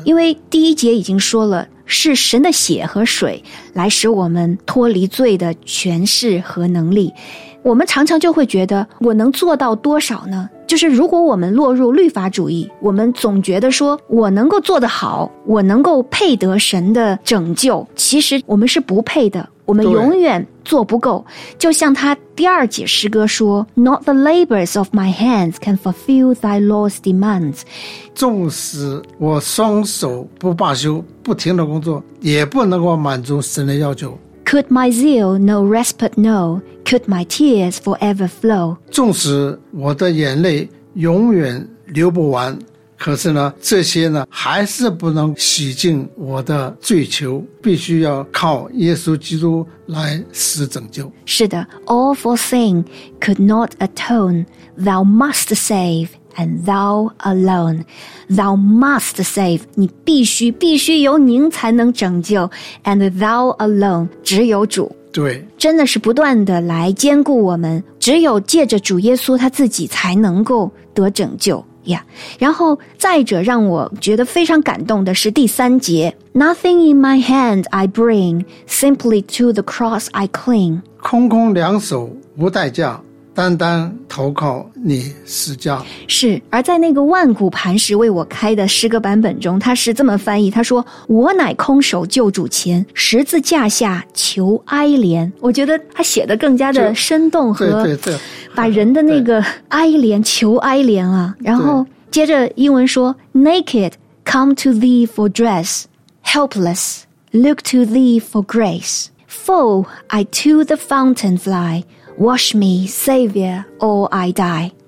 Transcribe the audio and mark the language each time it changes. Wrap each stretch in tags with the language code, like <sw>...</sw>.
<zh>因为第一节已经说了，是神的血和水来使我们脱离罪的权势和能力。我们常常就会觉得，我能做到多少呢？就是如果我们落入律法主义，我们总觉得说我能够做得好，我能够配得神的拯救，其实我们是不配的，我们永远做不够。就像他第二节诗歌说，</zh> <en>Not the labors of my hands can fulfill thy law's demands，</en> <zh>纵使我双手不罢休，不停的工作，也不能够满足神的要求。</zh> <en>Could my zeal no respite know? Could my tears forever flow?</en> <zh>纵使我的眼泪永远流不完，可是呢，这些呢，还是不能洗净我的罪求，必须要靠耶稣基督来施拯救。</zh> <en>是的， All for sin could not atone. Thou must save. And thou alone, thou must save.</en> <zh>你必须，必须由您才能拯救。</zh> <en>And thou alone,</en> <zh>只有主。对，真的是不断的来坚固我们。只有借着主耶稣他自己才能够得拯救呀。</zh> <en>Yeah.</en> <zh>然后再者，让我觉得非常感动的是第三节</zh> <en>：Nothing in my hand I bring, simply to the cross I cling.</en> <zh>空空两手无代价。单单投靠你施加。是，而在那个万古磐石为我开的诗歌版本中，他是这么翻译，他说，我乃空手救主前，十字架下求哀怜。我觉得他写的更加的生动，和对对对，把人的那个哀怜，求哀怜啊。然后接着英文说，</zh> <en>Naked, come to thee for dress, helpless, look to thee for grace, full, I to the fountain fly,Wash me, Savior, or I die.</en>